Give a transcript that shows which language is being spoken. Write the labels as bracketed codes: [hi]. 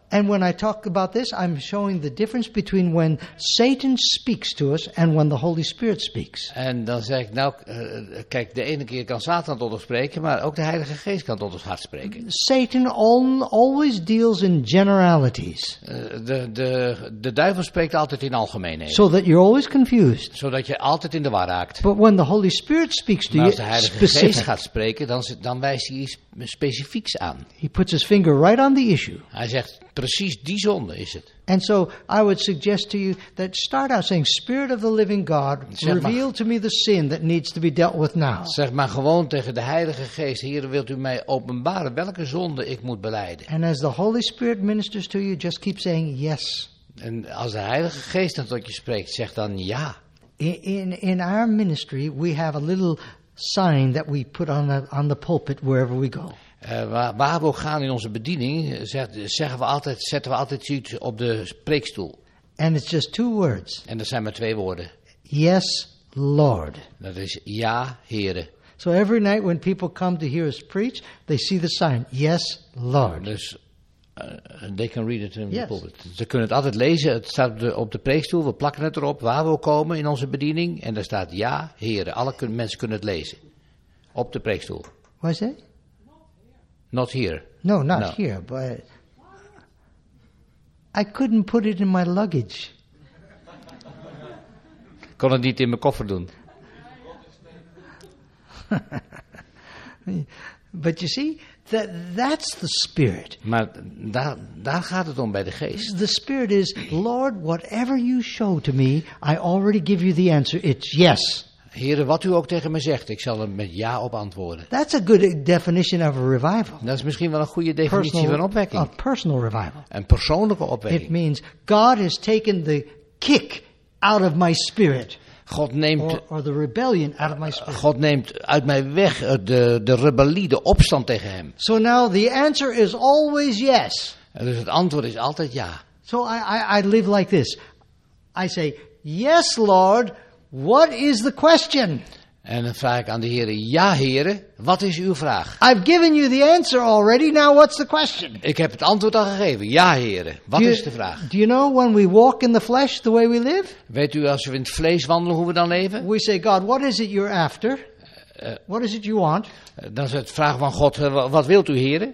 [en] And when I talk about this, I'm showing the difference between when Satan speaks to us and when the Holy Spirit speaks. [nl] En dan zeg ik, nou, kijk, de ene keer kan Satan tot ons spreken, maar ook de Heilige Geest kan tot ons hart spreken. [en] Satan always deals in generalities. [nl] De duivel spreekt altijd in algemeenheden. [en] So that you're always confused. [nl] Zodat je altijd in de war raakt. [en] But when the Holy Spirit speaks to you, [nl] als de Heilige Geest gaat spreken, dan wijst hij iets specifieks aan. [en] He puts his finger right on the issue. [nl] Hij zegt, precies die zonde is het. [en] And so I would suggest to you that start out saying, Spirit of the living God, reveal to me the sin that needs to be dealt with now. [nl] Zeg maar gewoon tegen de Heilige Geest, Heer, wilt u mij openbaren welke zonde ik moet beleiden? [en] And as the Holy Spirit ministers to you, just keep saying yes. [nl] En als de Heilige Geest dan tot je spreekt, zeg dan ja. [en] In our ministry, we have a little sign that we put on the pulpit wherever we go. [nl] Waar we ook gaan in onze bediening, zetten we altijd iets op de preekstoel. [en] And it's just two words. [nl] En dat zijn maar twee woorden. [en] Yes, Lord. [nl] Dat is ja, Heere. [en] So every night when people come to hear us preach, they see the sign, yes, Lord. Dus they can read it in the pulpit. [nl] Ze kunnen het altijd lezen, het staat op de preekstoel, we plakken het erop, waar we ook komen in onze bediening, en daar staat ja, Heere. Alle mensen kunnen het lezen. Op de preekstoel. Wat is dat? [en] Not here. No, not no. Here, but I couldn't put it in my luggage. [nl] Kon het niet in mijn koffer doen. [en] But you see, that's the Spirit. [nl] Maar daar gaat het om bij de Geest. [en] The Spirit is, Lord, whatever you show to me, I already give you the answer. It's yes. [nl] Heren, wat u ook tegen me zegt, ik zal er met ja op antwoorden. [en] That's a good definition of a revival. [nl] Dat is misschien wel een goede definitie van opwekking. [en] A personal revival. [nl] Een persoonlijke opwekking. [en] It means God has taken the kick out of my spirit. [nl] God neemt [en] the rebellion out of my spirit. [nl] God neemt uit mij weg de rebellie, de opstand tegen hem. [en] So now the answer is always yes. [nl] En dus het antwoord is altijd ja. [en] So I live like this. I say, yes, Lord. What is the question? [nl] En dan vraag ik aan de heren, ja heren, wat is uw vraag? [en] I've given you the answer already, now what's the question? [nl] Ik heb het antwoord al gegeven, ja heren, wat is de vraag? [en] Do you know when we walk in the flesh the way we live? [nl] Weet u als we in het vlees wandelen hoe we dan leven? [en] We say, God, what is it you're after? What is it you want? [nl] Dan is het vraag van God, wat wilt u heren?